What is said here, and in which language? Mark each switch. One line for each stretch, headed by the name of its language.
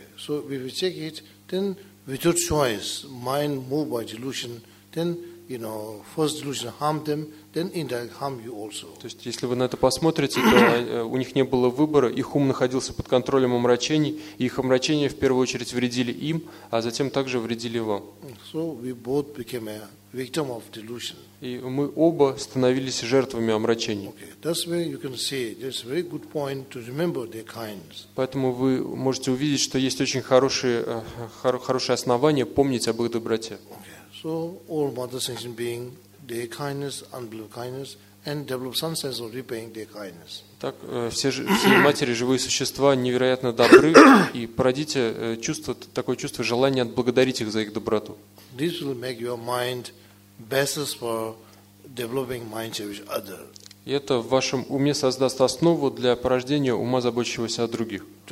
English: So if we take it, then without choice, mind moved by delusion, then, you know, first delusion harm them, then indirect harm you also.
Russian: То есть, если вы на это посмотрите, то у них не было выбора, их ум находился под контролем омрачений, и их омрачения в первую очередь вредили им, а затем также вредили вам.
English: So we both became a victim of delusion.
Russian: И мы оба становились жертвами омрачений.
English: Okay. That's why you can see there's a very good point to remember their kinds.
Russian: Поэтому вы можете увидеть, что есть очень хорошее основание помнить об их доброте.
English: So all mother sentient beings, their kindness, unbelievable kindness, and develop some sense of repaying their kindness.
Russian: Так все матери живые существа невероятно добры, и породите такое чувство желания отблагодарить их за их доброту.
English: This will make your mind basis for developing mind cherish other.
Russian: И это в вашем уме создаст основу для порождения ума, заботящегося о других.